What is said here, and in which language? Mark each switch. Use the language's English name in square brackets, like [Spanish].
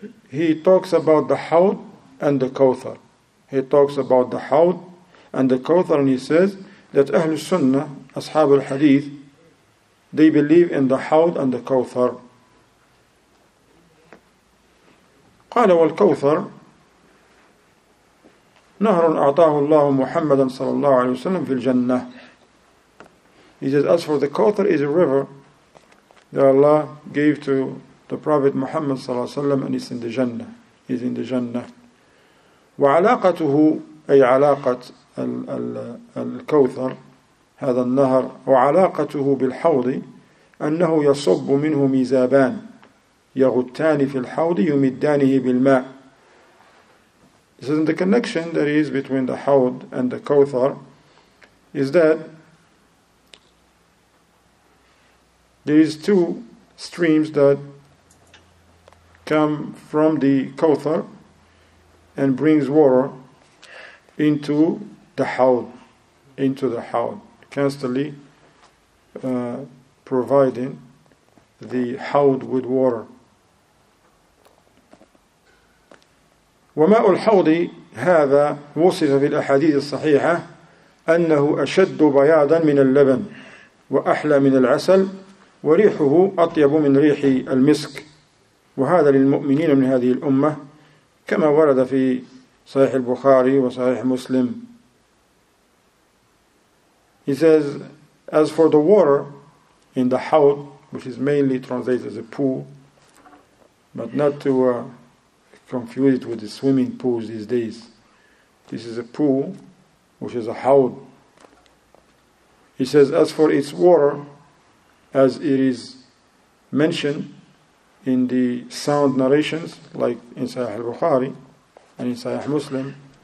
[English] he talks about the Haud and the Kawthar. He talks about the Haud and the Kawthar, and he says that Ahlul Sunnah, Ashab al-Hadith, they believe in the Haud and the Kawthar. [Arabic] قال والكوثر نهر أعطاه الله محمدا صلى الله عليه وسلم في الجنة. [English] He says, as for the Kawthar is a river that Allah gave to the Prophet Muhammad صلى الله عليه وسلم, and it's in the Jannah. He's in the Jannah. [Arabic] وعلاقته أي علاقة الكوثر هذا النهر وعلاقته بالحوض أنه يصب منه ميزابان يغتان في الحوض يمدانه بالماء. [English] So the connection that is between the Haud and the Kawthar is that there is two streams that come from the Kawthar and brings water into the Haud, constantly providing the Haud with water. [Arabic] وماء الحوض هذا وصف في الأحاديث الصحيحة أنه أشد بياضا من اللبن وأحلى من العسل وريحه أطيب من ريح المسك, وهذا للمؤمنين من هذه الأمة كما ورد في صحيح البخاري وصحيح مسلم. [English] He says, as for the water in the Haud, which is mainly translated as a pool, but not to confuse it with the swimming pools these days. This is a pool, which is a Haud. He says, as for its water, as it is mentioned in the sound narrations, like in Sahih al-Bukhari and in Sahih Muslim,